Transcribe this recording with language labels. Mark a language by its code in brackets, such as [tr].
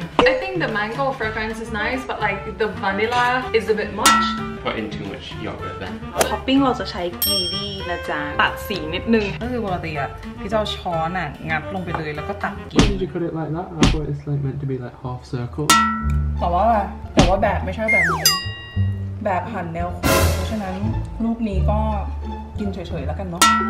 [en] I think the mango fragrance is nice, but like the vanilla is a bit much. Put in too much yogurt then. [th] Topping เราจะใช้กีวีนะจ๊ะตัดสีนิดนึง ก็คือปกติอ่ะพี่เจ้าช้อนอ่ะงัดลงไปเลยแล้วก็ตัดกี วี [en] Did you cut it like that? I thought it's like meant to be like half circle. [th] แต่ว่าแบบไม่ใช่แบบนี้แบบหั่นแนวโค้งเพราะฉะนั้นลูกนี้ก็กินเฉยๆแล้วกันเนาะ